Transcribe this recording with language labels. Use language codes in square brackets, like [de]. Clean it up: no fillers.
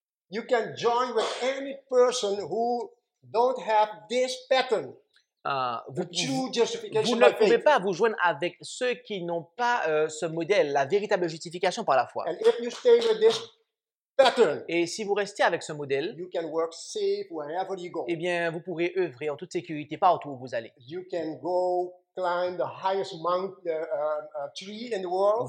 [en] You can join with any person who don't have this pattern. [fr] Vous ne pouvez pas vous joindre avec ceux qui n'ont pas ce modèle, la véritable justification par la foi. [en] And if you stay with this pattern. [fr] Et si vous restez avec ce modèle, [en] you can work safe wherever you go. [fr] Eh bien, vous pourrez œuvrer en toute sécurité partout où vous allez. [en] You can go climb the highest tree in the world.